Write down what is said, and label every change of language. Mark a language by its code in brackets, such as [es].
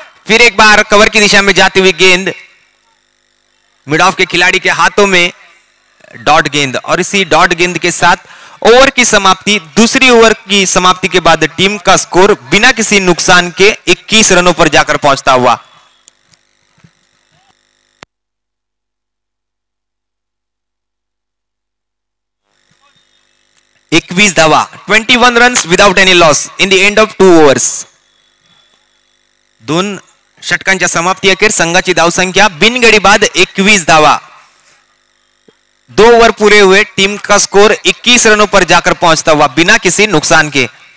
[hi] फिर एक बार कवर की दिशा में जाती हुई गेंद, मिड ऑफ के खिलाड़ी के हाथों में डॉट गेंद, और इसी डॉट गेंद के साथ ओवर की समाप्ति, दूसरी ओवर की समाप्ति के बाद टीम का स्कोर बिना किसी नुकसान के 21 रनों पर जाकर पहुंचता हुआ। [mr] एकवीस धावा, [en] 21 run without any loss in the end of two overs. [mr] दोन षटकांच्या समाप्ती अखेर संघाची धावसंख्या बिन गडी बाद 21 धावा। [hi] दो ओवर पूरे हुए, टीम का स्कोर 21 रनों पर जाकर पहुंचता हुआ बिना किसी नुकसान के।